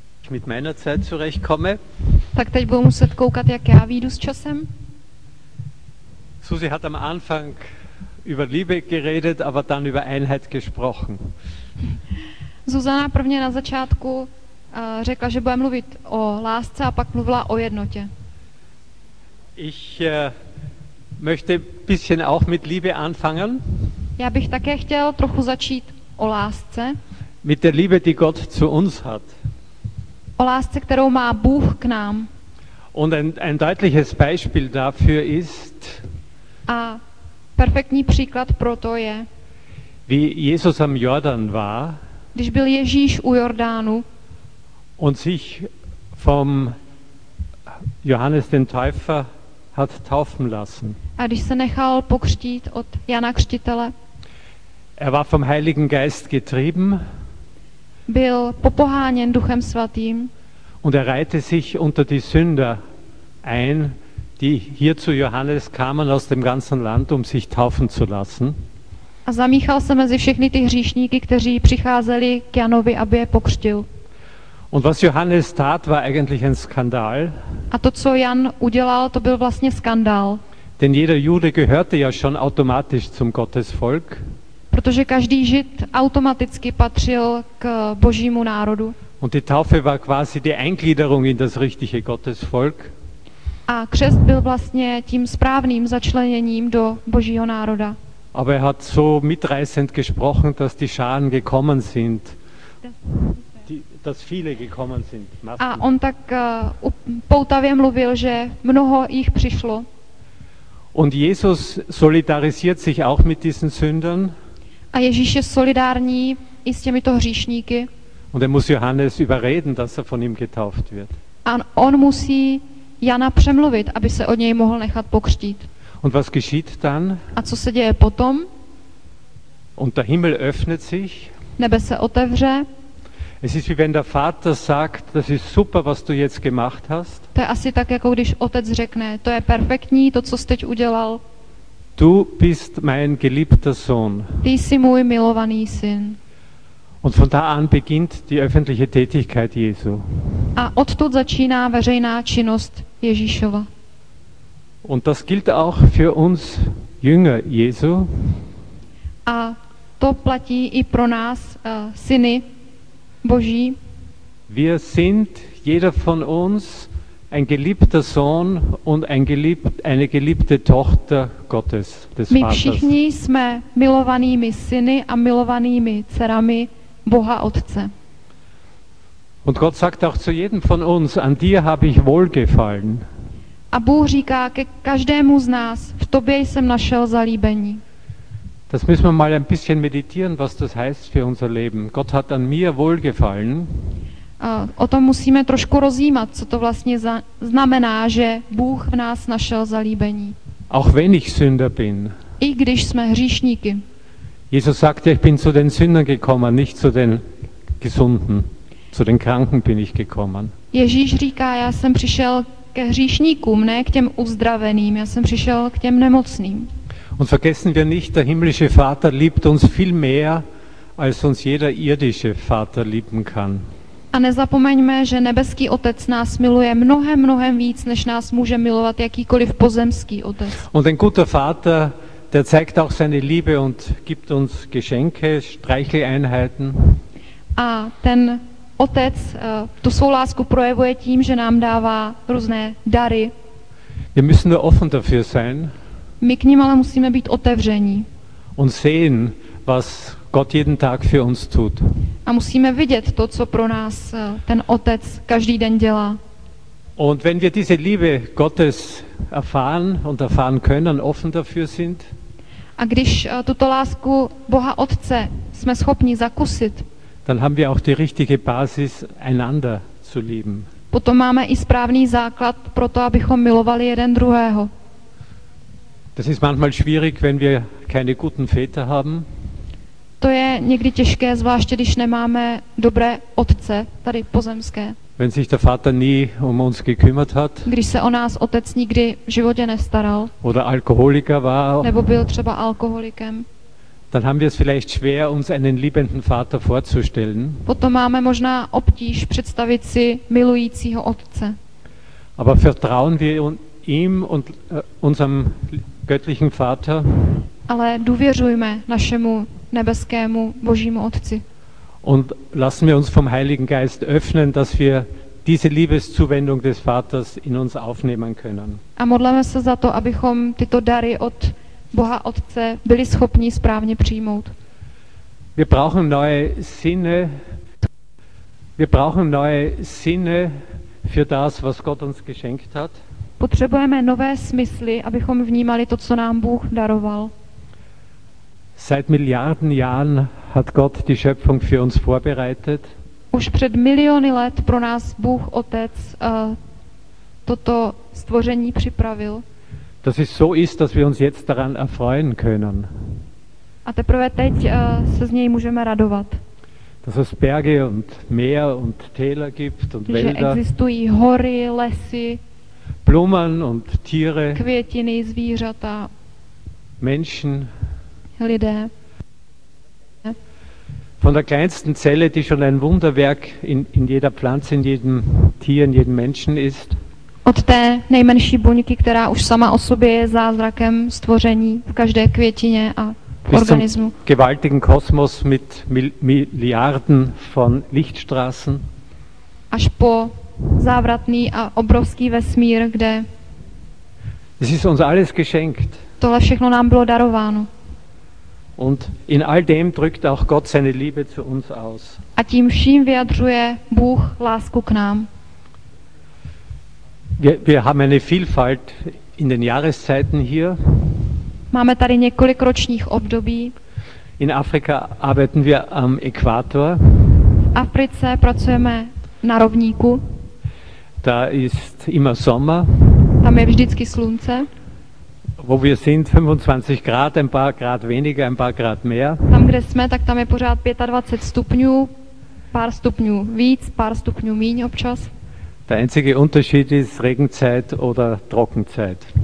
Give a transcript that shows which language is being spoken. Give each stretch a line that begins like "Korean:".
German: Mit meiner Zeit zurechtkomme.
Czech: Tak teď budu muset koukat, jak já vyjdu s časem.
German: Susi hat am Anfang über Liebe geredet, aber dann über Einheit gesprochen.
Czech: Susanna prvně na začátku řekla, že bude mluvit o lásce a pak mluvila o jednotě.
German: Ich möchte bisschen auch mit Liebe anfangen.
Czech: Já bych také chtěl trochu začít o lásce.
German: Mit der Liebe, die Gott zu uns hat.
Czech: O lásce, kterou má Bůh k nám.
German: Und ein deutliches Beispiel dafür ist.
Czech: A perfektní příklad pro to je.
German: Wie Jesus am Jordan war.
Czech: Když byl Ježíš u Jordánu.
German: Und sich vom Johannes den Täufer hat taufen lassen.
Czech: A když se nechal pokřtít od Jana Křtitele.
German: Er war vom Heiligen Geist getrieben.
Czech: Byl popoháněn Duchem svatým.
German: Und er reihte sich unter die Sünder ein, die hier zu Johannes kamen aus dem ganzen Land, um sich taufen zu lassen.
Czech: A zamíchal se mezi všechny ty hříšníky, kteří přicházeli k Janovi, aby je pokřtil.
German: Und was Johannes tat, war eigentlich ein Skandal.
Czech: A to, co Jan udělal, to byl vlastně skandál.
German: Denn jeder Jude gehörte ja schon automatisch zum Gottesvolk.
Czech: Protože každý Žid automaticky patřil k Božímu národu.
German: Und die Taufe war quasi die Eingliederung in das richtige Gottesvolk.
Czech: A křest byl vlastně tím správným začleněním do Božího národa.
German: Aber er hat so mitreißend gesprochen, dass die Scharen gekommen sind. Dass viele gekommen sind. Masken.
Czech: A on tak poutavě mluvil, že mnoho jich přišlo.
German: Und Jesus solidarisiert sich auch mit diesen Sündern.
Czech: A Ježíš je solidární i s těmito hříšníky.
German: Und er muss Johannes überreden, dass er von ihm getauft wird.
Czech: A on musí Jana přemluvit, aby se od něj mohl nechat pokřtít.
German: Und was geschieht dann?
Czech: A co se děje potom?
German: Und der Himmel öffnet sich.
Czech: Nebe se otevře.
German: Es ist wie wenn der Vater sagt, das ist super, was du jetzt gemacht hast.
Czech: To je asi tak, jako když otec řekne, to je perfektní, to, co jsi teď udělal.
German: Du bist mein geliebter Sohn.
Czech: Ty jsi můj milovaný syn.
German: Und von da an beginnt die öffentliche Tätigkeit Jesu.
Czech: A odtud začíná veřejná činnost Ježíšova.
German: Und das gilt auch für uns Jünger Jesu.
Czech: A to platí i pro nás syny Boží.
German: Wir sind jeder von uns ein geliebter Sohn und eine geliebte Tochter Gottes des
Czech: Vaters. My všichni jsme milovanými syny a milovanými dcerami Boha Otce.
German: Und Gott sagt auch zu jedem von uns, an dir habe ich wohlgefallen.
Czech: A Bůh říká ke každému z nás, v tobě jsem našel zalíbení.
German: Das müssen wir mal ein bisschen meditieren, was das heißt für unser Leben. Gott hat an mir wohlgefallen.
Czech: O tom musíme trošku rozjímat, co to vlastně znamená, že Bůh v nás našel zalíbení.
German: Auch wenn ich Sünder bin.
Czech: I když jsme hříšníky.
German: Jesus sagte, ich bin zu den Sündern gekommen, nicht zu den Gesunden. Zu den Kranken bin ich gekommen.
Czech: Ježíš říká, já jsem přišel ke hříšníkům, ne k těm uzdraveným, já jsem přišel k těm nemocným.
German: Und vergessen wir nicht, der himmlische Vater liebt uns viel mehr, als uns jeder irdische Vater lieben kann.
Czech: A nezapomeňme, že nebeský otec nás miluje mnohem, mnohem víc, než nás může milovat jakýkoliv pozemský otec.
German: Und ein guter Vater, der zeigt auch seine Liebe und gibt uns Geschenke, Streicheleinheiten.
Czech: A ten otec tu svou lásku projevuje tím, že nám dává různé dary.
German: Wir müssen nur offen dafür sein.
Czech: My k ním ale musíme být otevření.
German: Und sehen, was Gott jeden Tag für uns tut.
Czech: A musíme vidět to, co pro nás ten otec každý den dělá.
German: Und wenn wir diese Liebe Gottes erfahren und erfahren können, offen dafür sind.
Czech: A když tuto lásku Boha Otce jsme schopni zakusit.
German: Dann haben wir auch die richtige Basis einander zu lieben.
Czech: Potom máme i správný základ pro to, abychom milovali jeden druhého.
German: Das ist manchmal schwierig, wenn wir keine guten Väter haben.
Czech: To je někdy těžké, zvláště když nemáme dobré otce tady pozemské.
German: Wenn sich der Vater nie um uns gekümmert hat.
Czech: Když se o nás otec nikdy v životě nestaral.
German: Oder Alkoholiker war.
Czech: Nebo byl třeba alkoholikem.
German: Dann haben wir es vielleicht schwer, uns einen liebenden Vater vorzustellen.
Czech: Potom máme možná obtíž představit si milujícího otce.
German: Aber vertrauen wir ihm und unserem göttlichen Vater.
Czech: Ale důvěřujme našemu nebeskému Božímu Otci.
German: Und lassen wir uns vom Heiligen Geist öffnen, dass wir diese Liebeszuwendung des Vaters in uns aufnehmen können.
Czech: A modleme se za to, abychom tyto dary od Boha Otce byli schopni správně přijmout.
German: Wir brauchen neue Sinne für das, was Gott uns geschenkt hat.
Czech: Potřebujeme nové smysly, abychom vnímali to, co nám Bůh daroval.
German: Seit Milliarden Jahren hat Gott die Schöpfung für uns vorbereitet.
Czech: Už před miliony let pro nás Bůh Otec toto stvoření připravil.
German: Dass es so ist, dass wir uns jetzt daran erfreuen können.
Czech: A teprve teď se z něj můžeme radovat.
German: Dass es Berge und Meer und Täler gibt und
Czech: že
German: Wälder.
Czech: Že existují hory, lesy.
German: Blumen und Tiere.
Czech: Květiny, zvířata.
German: Menschen.
Czech: Lidé.
German: Von der kleinsten Zelle, die schon ein Wunderwerk in jeder Pflanze, in jedem Tier, in jedem Menschen ist.
Czech: Od té nejmenší buňky, která už sama o sobě je zázrakem stvoření v každé květině a organismu.
German: Bis zum gewaltigen Kosmos mit Milliarden von Lichtstraßen.
Czech: Až po závratný a obrovský vesmír, kde.
German: Es ist uns alles geschenkt.
Czech: Tohle všechno nám bylo darováno.
German: Und in all dem drückt auch Gott seine Liebe zu uns aus.
Czech: A tím vším vyjadřuje Bůh lásku k nám.
German: Wir haben eine Vielfalt in den Jahreszeiten hier.
Czech: Máme tady několik ročních období.
German: In Afrika arbeiten wir am Äquator.
Czech: V Africe pracujeme na rovníku.
German: Da ist immer Sommer.
Czech: Tam je vždycky slunce.
German: Wo wir sind, 25 Grad, ein paar Grad weniger, ein paar Grad mehr.
Czech: Tam, kde jsme, tak tam je pořád 25 stupňů, pár stupňů víc, pár stupňů míň občas.
German: Der einzige Unterschied ist Regenzeit oder Trockenzeit.